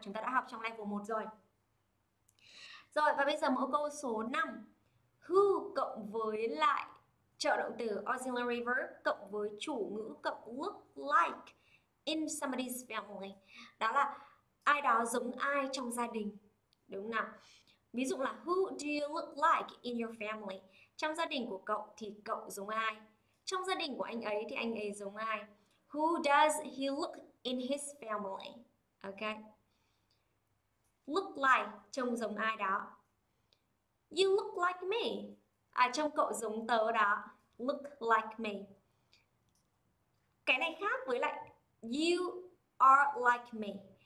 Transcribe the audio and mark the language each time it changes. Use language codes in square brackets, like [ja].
[vi] Chúng ta đã học trong level 1 rồi. Rồi và bây giờ mẫu câu số 5. Who cộng với lại trợ động từ auxiliary verb cộng với chủ ngữ cộng [en] look like in somebody's family. [vi] Đó là ai đó giống ai trong gia đình, đúng không nào? Ví dụ là [en] who do you look like in your family? [vi] Trong gia đình của cậu thì cậu giống ai? Trong gia đình của anh ấy thì anh ấy giống ai? [en] Who does he look in his family? Ok. Look like, [vi] trông giống ai đó. [en] You look like me. [vi] À, trông cậu giống tớ đó. [en] Look like me. [vi] Cái này khác với lại [en] you are like me.